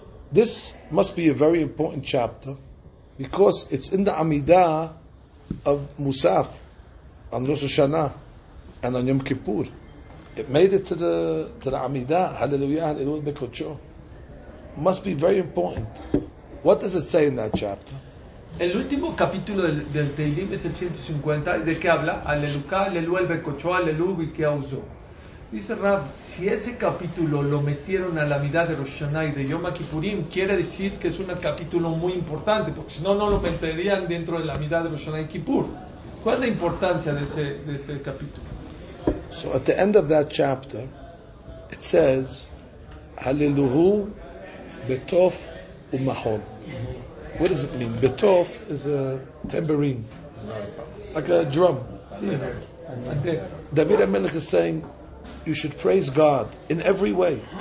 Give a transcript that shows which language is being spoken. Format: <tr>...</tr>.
<en>This must be a very important chapter because it's in the Amidah of Musaf on Rosh Hashanah and on Yom Kippur. It made it to the Amidah.</en> <he>Hallelujah, Hallelujah, El Bekocho.</he> <en>Must be very important. What does it say in that chapter?</en> <es>El último capítulo del Tehilim es el 150. ¿De qué habla?</es> <he>Aleluca, aleluya, el becocho, aleluya, y que auzó.</he> <es>Dice Rav, si ese capítulo lo metieron a la vida de Rosh Hashanah y de Yom Kippurim, quiere decir que es un capítulo muy importante, porque si no, no lo meterían dentro de la vida de Rosh Hashanah y Kippur. ¿Cuál es la importancia de ese capítulo?</es> <en>So at the end of that chapter, it says,</en> <he>Aleluhu betof umahol.</he> <en>What does it mean? Betof is a tambourine, like a drum. David HaMelech is saying, you should praise God in every way.</en>